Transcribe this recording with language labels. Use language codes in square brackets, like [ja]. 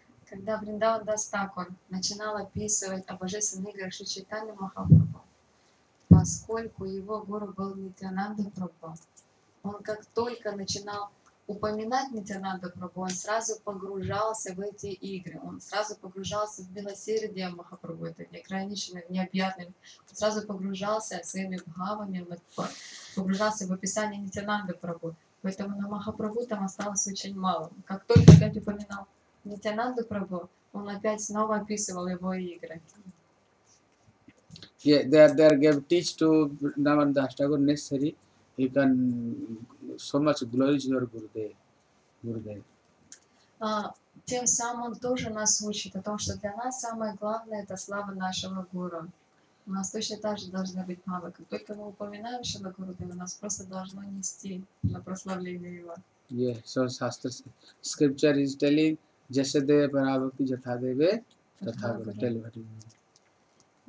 [ru] Когда Вриндаван Дас Такур начинал описывать о божественных играх Шри Чайтанья Махапрабху, поскольку его гуру был Нитьянанда Прабху, он как только начинал упоминать Нитьянанда Прабху, он сразу погружался в эти игры, он сразу погружался в милосердие Махапрабху, это неограниченное, необъятное, он сразу погружался своими бхавами, погружался в описание Нитьянанда Прабху. Поэтому на Махапрабху там осталось очень мало. Как только я упоминал Нитьянанду Прабху, он опять снова описывал его игры. [en] Yeah, they are gave teach to Vrindavan Das Thakur necessary. You can so much glory to your Gurudev. [ru] Тем самым он тоже нас учит о том, что для нас самое главное — это слава нашего Гуру. У нас точно так же должна быть мало. Как только мы упоминаем Шрила Гурудева, нас просто должно нести на прославление его. [en] Yeah, so Shastra, scripture is telling, Jasadeva Parabhakti Jathadeve, Tathagur, tell what you mean.